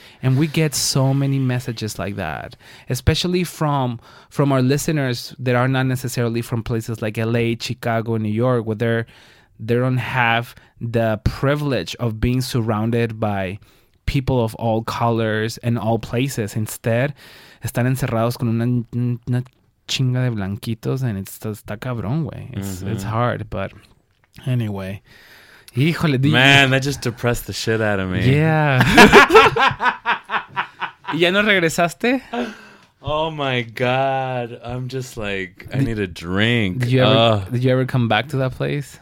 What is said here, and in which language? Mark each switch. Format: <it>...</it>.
<en>And we get so many messages like that, especially from our listeners that are not necessarily from places like LA, Chicago, New York, where they don't have the privilege of being surrounded by people of all colors and all places.</en> <es>Instead, están encerrados con una chinga de blanquitos, and está cabrón, güey.</es> <en>It's hard, but... Anyway, híjole, man, that just depressed the shit out of me. Yeah.</en> <es>¿Y ya no regresaste?</es> <en>Oh my god, I'm just like, I need a drink. Did you ever come back to that place?</en>